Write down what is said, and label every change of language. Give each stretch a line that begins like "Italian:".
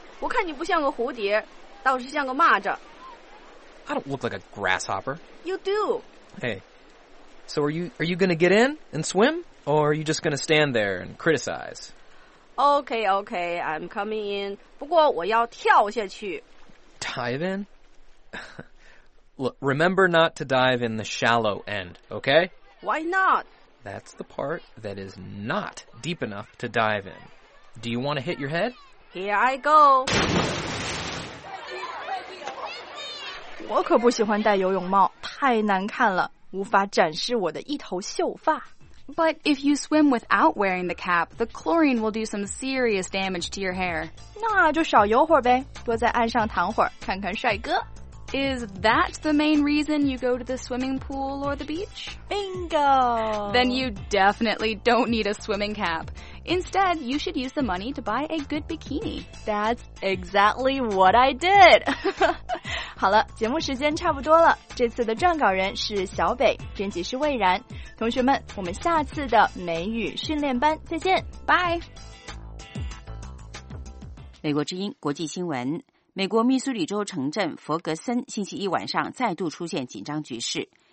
Chinese: 我看你不像个蝴蝶，倒是像个蚂蚱。
English: I don't look like a grasshopper. You do. Hey, so are you going to get in and swim, or are you just going to stand there and criticize? Okay, I'm coming in.
Chinese: 不过我要跳下去。
English: Dive in? Look, remember not to dive in the shallow end, okay? Why not? That's the part that is not deep enough to dive in. Do you want to hit your head? Here I go.
Chinese: 我可不喜欢戴游泳帽。太难看了，无法展示我的一头秀发。
English: But if you swim without wearing the cap, the chlorine will do some serious damage to your hair.
Chinese: 那就少游会儿呗，多在岸上躺会儿，看看帅哥。
English: Is that the main reason you go to the swimming pool or the beach? Bingo! Then you definitely don't need a swimming cap. Instead, you should use the money to buy a good bikini. That's exactly what I did!
Chinese: 好了，节目时间差不多了，这次的撰稿人是小北，编辑是蔚然。同学们，我们下次的美语训练班再见，拜。美国之音国际新闻。美国密苏里州城镇佛格森星期一晚上再度出现紧张局势。